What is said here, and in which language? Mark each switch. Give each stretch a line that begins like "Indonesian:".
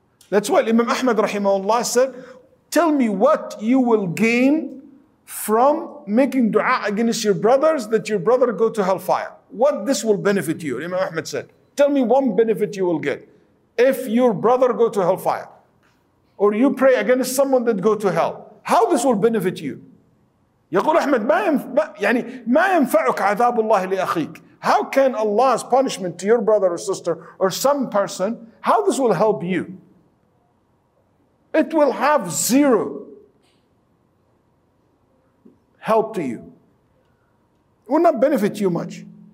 English: That's why Imam Ahmad rahimahullah said, tell me what you will gain from making dua against your brothers, that your brother go to hellfire. What this will benefit you, Imam Ahmad said. Tell me one benefit you will get if your brother go to hellfire, or you pray against someone that go to hell. How this will benefit you?
Arabic: يقول أحمد ما ينفعك عذاب الله لأخيك.
English: How can Allah's punishment to your brother or sister or some person, how this will help you? It will have zero help to you. It will not benefit you much.